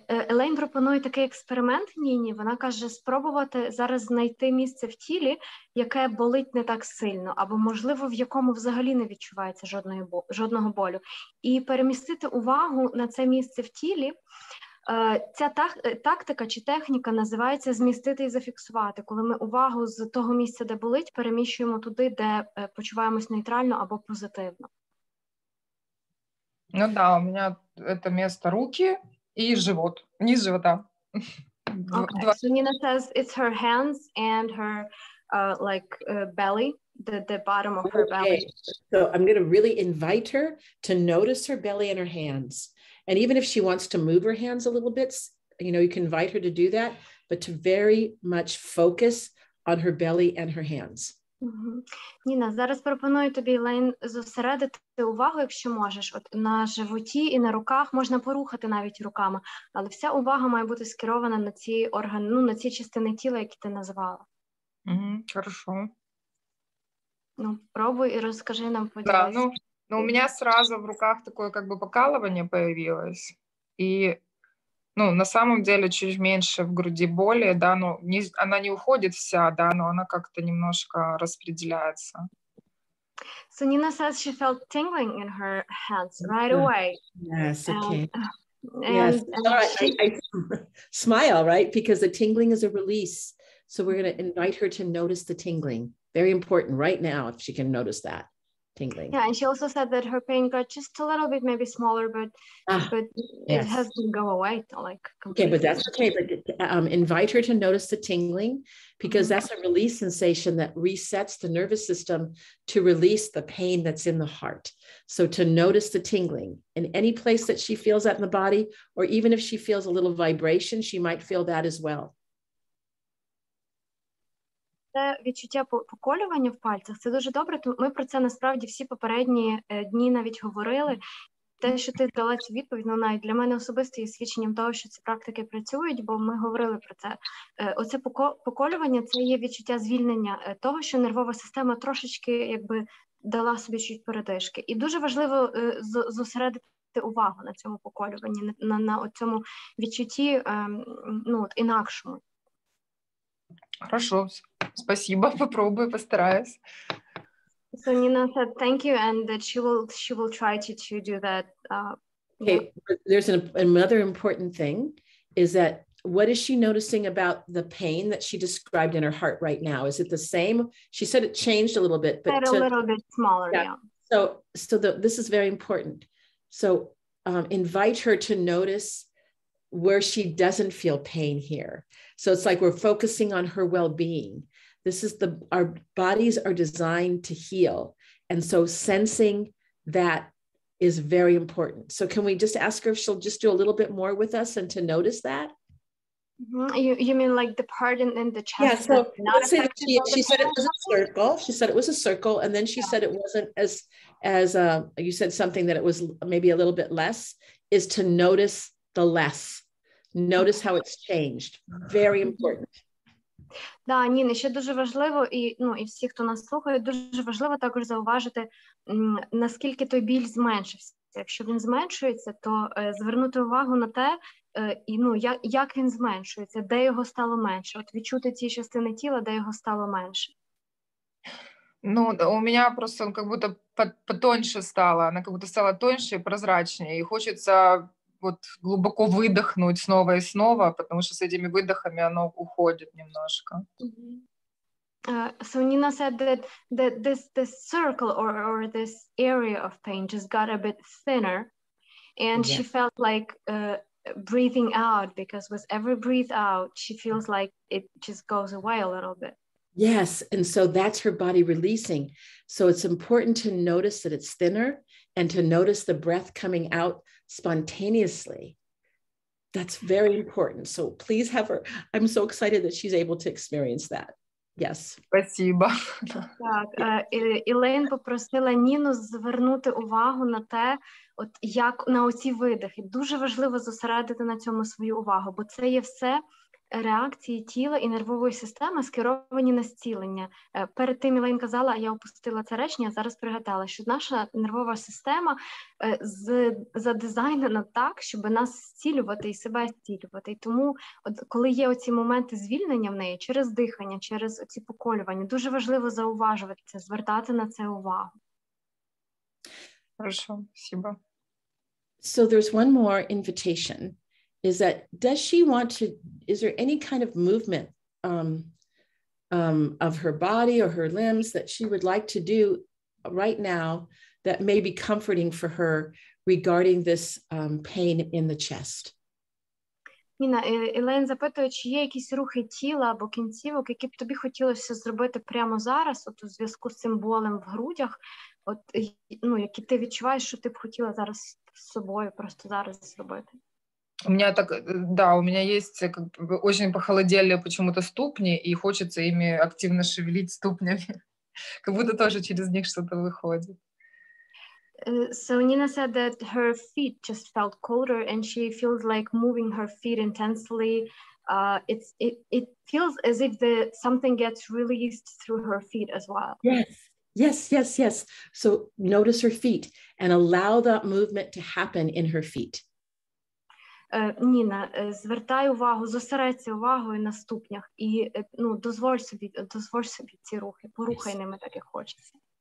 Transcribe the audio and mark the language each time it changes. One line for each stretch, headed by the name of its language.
Ukrainian: Елейн пропонує такий експеримент Ніні. Вона каже, спробувати зараз знайти місце в тілі, яке болить не так сильно, або, можливо, в якому взагалі не відчувається жодного болю. І перемістити увагу на це місце в тілі. Ця тактика чи техніка називається «змістити і зафіксувати», коли ми увагу з того місця, де болить, переміщуємо туди, де почуваємось нейтрально або позитивно.
Russian: Ну да, у меня это место руки и живот, низ живота.
English: Okay. So Nina says it's her hands and her belly, the bottom of her belly. So I'm going to really invite her to notice her belly and her hands. And even if she wants to move her hands a little bit, you know, you can invite her to do that, but to very much focus on her belly and her hands.
Ukrainian: Ніна, зараз пропоную тобі, Лейн, зосередити увагу, якщо можеш, от на животі і на руках, можна порухати навіть руками, але вся увага має бути скерована на ці органи, ну, на ці частини тіла, які ти назвала.
Russian: Хорошо. Ну, пробуй и расскажи нам, пожалуйста. Да, ну, у меня сразу в руках такое как бы покалывание появилось. И, ну, на самом деле чуть меньше в груди боли, да, но не, она не уходит вся, да, но она как-то немножко распределяется.
English: So Nina says she felt tingling in her hands right away. Yes, okay. I smile, right? Because the tingling is a release. So we're going to invite her to notice the tingling. Very important right now if she can notice that tingling. Yeah, and she also said that her pain got just a little bit, maybe smaller, but yes. It has to go away, like completely. Okay, but that's okay. But invite her to notice the tingling, because mm-hmm. that's a release sensation that resets the nervous system to release the pain that's in the heart. So to notice the tingling in any place that she feels that in the body, or even if she feels a little vibration, she might feel that as well.
Ukrainian: Це відчуття поколювання в пальцях, це дуже добре, ми про це насправді всі попередні дні навіть говорили. Те, що ти дала цю відповідь, ну, навіть для мене особисто є свідченням того, що ці практики працюють, бо ми говорили про це. Оце поколювання – це є відчуття звільнення того, що нервова система трошечки якби дала собі чуть передишки. І дуже важливо зосередити увагу на цьому поколюванні, на цьому відчутті ну, от, інакшому.
Russian: Хорошо, спасибо, попробую, постараюсь.
English: So Nina said thank you, and that she will try to do that. Okay, there's another important thing, is that what is she noticing about the pain that she described in her heart right now? Is it the same? She said it changed a little bit. But a little bit smaller, yeah. So this is very important. So invite her to notice where she doesn't feel pain here. So it's like we're focusing on her well-being. This is our bodies are designed to heal. And so sensing that is very important. So can we just ask her if she'll just do a little bit more with us and to notice that? Mm-hmm. You mean like the part in the chest? Yeah, so not let's say that she said it was a circle. She said it was a circle. And then she said it wasn't as you said something that it was maybe a little bit less, is to notice the less. Notice how it's changed. Very important.
Ukrainian: Да, Ніна, ще дуже важливо, і ну і всі, хто нас слухає, дуже важливо також зауважити, наскільки той біль зменшився. Якщо він зменшується, то звернути увагу на те, і ну як він зменшується, де його стало менше. От відчути ці частини тіла, де його стало менше.
Russian: Ну, у меня просто он как будто потоньше стало, она как будто стала тоньше и прозрачнее, и хочется вот глубоко выдохнуть снова и снова, потому что с этими выдохами оно уходит немножко.
English: So Nina said that this circle or this area of pain just got a bit thinner, and yeah. She felt like breathing out, because with every breath out, she feels like it just goes away a little bit. Yes, and so that's her body releasing. So it's important to notice that it's thinner and to notice the breath coming out spontaneously. That's very important. So please have her. I'm so excited that she's able to experience that. Yes.
Russian: Спасибо.
Ukrainian: Так, Елен попросила Ніну звернути увагу на те, от як на оці видихи. Дуже важливо зосередити на цьому свою увагу, бо це є все реакції тіла і нервової системи, скеровані на зцілення. Перед тим Елейн казала, я опустила це речення, зараз пригадала, що наша нервова система задизайнена так, щоб нас зцілювати і себе зцілювати. І тому, от, коли є оці моменти звільнення в неї, через дихання, через оці поколювання, дуже важливо зауважувати це, звертати на це увагу.
Russian: Хорошо, спасибо.
English: So there's one more invitation. Is that, does she want to, is there any kind of movement of her body or her limbs that she would like to do right now that may be comforting for her regarding this pain in the chest?
Ukrainian: Ніна, Елен запитує, чи є якісь рухи тіла або кінцівок, які б тобі хотілося зробити прямо зараз, от у зв'язку з цим болем в грудях, от, ну, які ти відчуваєш, що ти б хотіла зараз з собою просто зараз зробити?
Russian: У меня так, да, у меня есть как бы очень похолодели почему-то ступни, и хочется ими активно шевелить ступнями, как будто тоже через них что-то выходит.
English: So Nina said that her feet just felt colder, and she feels like moving her feet intensely. It feels as if something gets released through her feet as well. Yes, Yes, yes, yes. So notice her feet and allow that movement to happen in her feet.
Ukrainian: Ніна, звертай увагу, зосередься увагою на ступнях і ну, дозволь собі ці рухи, порухай ними так, як хочеться.